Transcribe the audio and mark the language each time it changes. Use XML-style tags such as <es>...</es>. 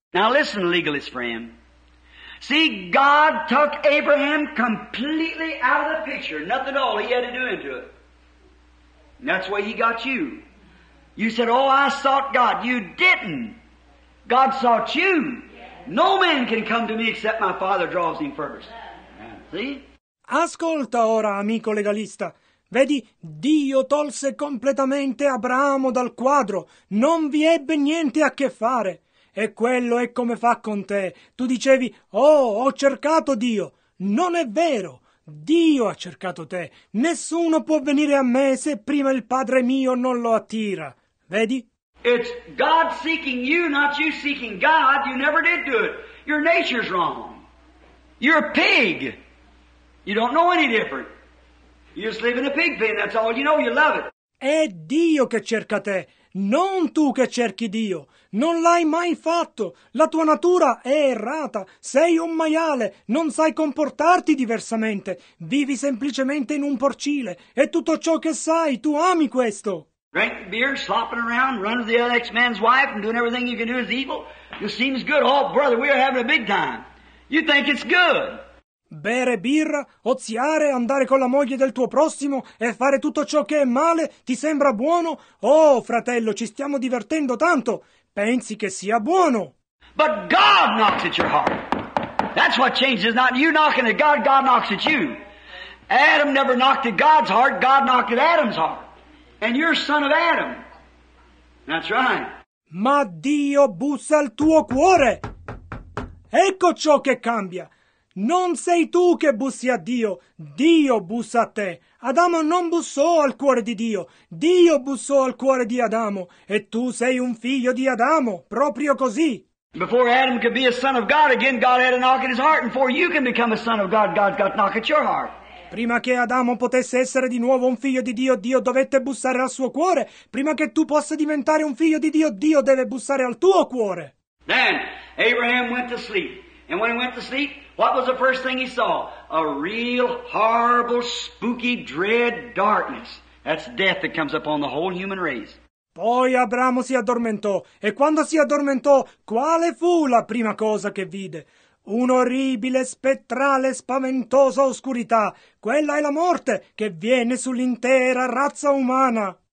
<en>Now listen, legalist friend. See, God took Abraham completely out of the picture. Nothing at all he had to do into it. And that's why he got you. You said, oh, I sought God. You didn't. God sought you. No man can come to me except my Father draws him first. See?</en> <it>Ascolta ora, amico legalista. Vedi, Dio tolse completamente Abramo dal quadro. Non vi ebbe niente a che fare. E quello è come fa con te. Tu dicevi, oh, ho cercato Dio. Non è vero. Dio ha cercato te. Nessuno può venire a me se prima il Padre mio non lo attira. Vedi?</it> <en>It's God seeking you, not you seeking God. You never did do it. Your nature's wrong. You're a pig. You don't know any different. You just live in a pig pen, that's all you know. You love it.</en> <it>È Dio che cerca te. Non tu che cerchi Dio. Non l'hai mai fatto. La tua natura è errata. Sei un maiale. Non sai comportarti diversamente. Vivi semplicemente in un porcile. È tutto ciò che sai. Tu ami questo.</it> <en>Drink beer, slopping around, running to the other ex-man's wife and doing everything you can do is evil. It seems good. Oh, brother, we are having a big time. You think it's good.</en> <it>Bere birra, oziare, andare con la moglie del tuo prossimo e fare tutto ciò che è male, ti sembra buono? Oh, fratello, ci stiamo divertendo tanto. Pensi che sia buono.</it> <en>But God knocks at your heart. That's what changes. Not you knocking at God, God knocks at you. Adam never knocked at God's heart, God knocked at Adam's heart. And you're son of Adam. That's right.</en> <it>Ma Dio bussa al tuo cuore. Ecco ciò che cambia. Non sei tu che bussi a Dio, Dio bussa a te. Adamo non bussò al cuore di Dio, Dio bussò al cuore di Adamo, e tu sei un figlio di Adamo, proprio così.</it> <en>Before Adam could be a son of God again, God had to knock at his heart, and before you can become a son of God, God's got to knock at your heart.</en> <it>Prima che Adamo potesse essere di nuovo un figlio di Dio, Dio dovette bussare al suo cuore. Prima che tu possa diventare un figlio di Dio, Dio deve bussare al tuo cuore.</it> <en>Then Abraham went to sleep, and when he went to sleep, what was the first thing he saw? A real horrible, spooky, dread darkness. That's death that comes upon the whole human race.</en> <it>Poi Abramo si addormentò. E quando si addormentò, quale fu la prima cosa che vide? Un'orribile, spettrale, spaventosa oscurità. Quella è la morte che viene sull'intera razza umana.</it>